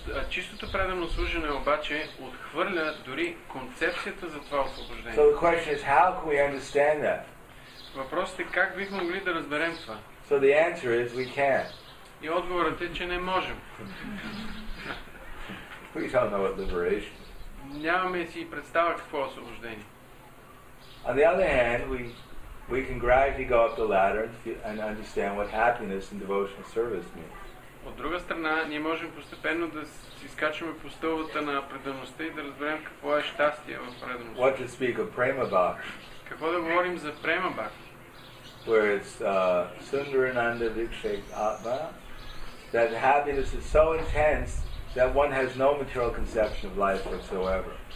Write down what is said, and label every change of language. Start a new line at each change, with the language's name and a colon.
Bulgarian: Чистото преданно служене обаче отхвърля дори концепцията за това освобождение.
English: So the question is, how can we understand that?
Bulgarian: Въпросът е как бихме могли да разберем това?
English: So the answer is, we can't.
Bulgarian: И отговорът е, че не можем.
English: We don't know what liberation is.
Bulgarian: Нямаме си представа какво е освобождение.
English: On the other hand, we can gradually go up the ladder and understand what happiness and devotional service means.
Bulgarian: От друга страна, ние можем постепенно да изкачваме по стълбата на предаността и да разберем какво е щастие в предаността.
English: What to speak of prema bhakti?
Bulgarian: Какво да говорим за prema bhakti?
English: Where it's Sundarananda Vikshetatma, that happiness is so intense that one has no material conception of life whatsoever.